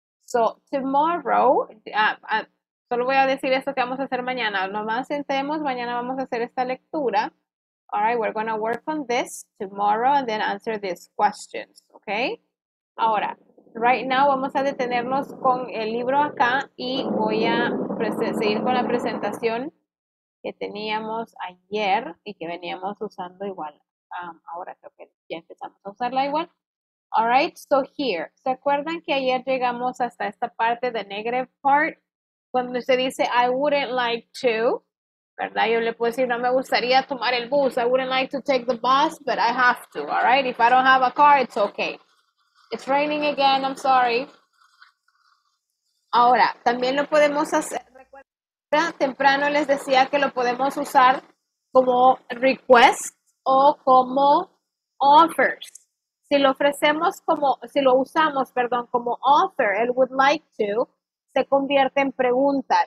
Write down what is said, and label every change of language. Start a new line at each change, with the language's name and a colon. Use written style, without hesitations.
English: So tomorrow,
Spanish: solo voy a decir esto que vamos a hacer mañana. Nomás sentemos, mañana vamos a hacer esta lectura.
English: All right, we're going to work on this tomorrow and then answer these questions.
Spanish: Okay. Ahora.
English: Right now,
Spanish: vamos a detenernos con el libro acá y voy a seguir con la presentación que teníamos ayer y que veníamos usando igual. Ahora creo que ya empezamos a usarla igual.
English: All right, so here.
Spanish: ¿Se acuerdan que ayer llegamos hasta esta parte,
English: the negative part?
Spanish: Cuando usted dice,
English: I wouldn't like to,
Spanish: ¿verdad? Yo le puedo decir, no me gustaría tomar el bus.
English: I wouldn't like to take the bus, but I have to, all right? If I don't have a car, it's okay. It's raining again, I'm sorry.
Spanish: Ahora, también lo podemos hacer, recuerda, temprano les decía que lo podemos usar como request o como offers. Si lo ofrecemos como, si lo usamos, perdón, como offer, el
English: would like to,
Spanish: se convierte en pregunta.